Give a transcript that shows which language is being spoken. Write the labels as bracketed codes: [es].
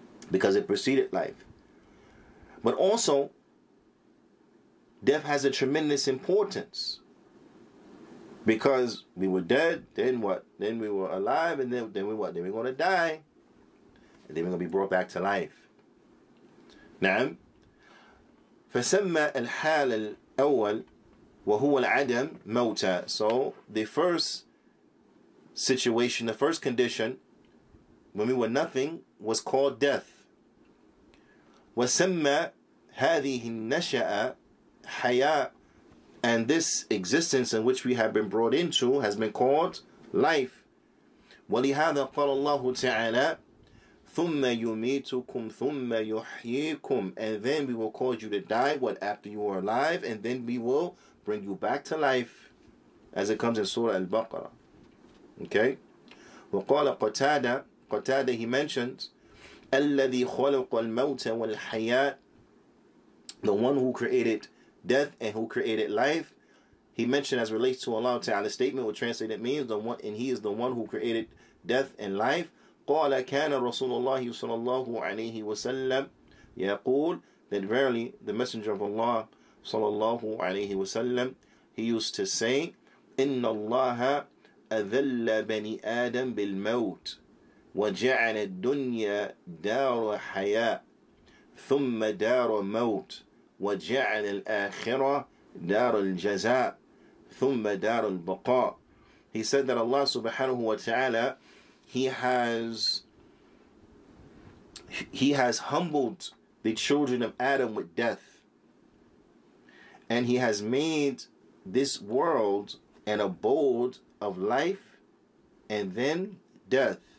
[en] Because it preceded life. But also, death has a tremendous importance. Because we were dead, then what? Then we were alive, and then we what? Then we're going to die. And then we're going to be brought back to life. [ar] Now, فَسَمَّ الْحَالَ الْأَوَّلِ وَهُوَ الْعَدَمِ مَوْتَى. [en] So, the first situation, the first condition, when we were nothing, was called death. [ar] وَسَمَّ هَذِهِ النَّشَأَ حَيَاءَ. [en] And this existence in which we have been brought into has been called life. [ar] وَلِهَذَا قَالَ اللَّهُ تَعَالَى ثُمَّ يُمِيتُكُمْ ثُمَّ يُحْيِيكُمْ. [en] And then we will cause you to die, what, after you are alive, and then we will bring you back to life, as it comes in Surah Al-Baqarah. [ar] Okay? وَقَالَ قَتَادَ. Qatada, [en] he mentions, [ar] الَّذِي خَلَقَ الْمَوْتَ وَالْحَيَاةِ. [en] The one who created death and who created life, he mentioned as relates to Allah Ta'ala's statement, which translated means the one, and he is the one who created death and life. [ar] قَالَ كَانَ رَسُولُ اللَّهِ صَلَى اللَّهُ عَلَيْهِ وَسَلَّمْ يَقُولُ. [en] That verily the messenger of Allah صلى الله عليه وسلم, he used to say, [ar] إِنَّ اللَّهَ أَذَلَّ بَنِي آدَمْ بِالْمَوْتِ وَجَعَلَ الدُّنْيَا دَارَ حَيَاءٍ ثُمَّ دَارَ مَوْتٍ وَجَعَلَ الْآخِرَةِ دَارَ الْجَزَاءِ ثُمَّ دَارَ الْبَقَاءِ. [en] He said that Allah subhanahu wa ta'ala, He has humbled the children of Adam with death. And He has made this world an abode of life and then death.